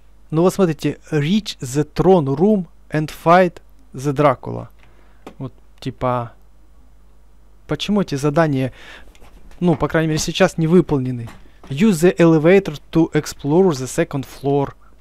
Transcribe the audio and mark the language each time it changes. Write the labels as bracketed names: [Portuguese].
[Russian] Ну вот смотрите, [English] reach the throne room and fight the Dracula. [Russian] Вот типа, почему эти задания, ну по крайней мере сейчас не выполнены? [English] Use the elevator to explore the second floor.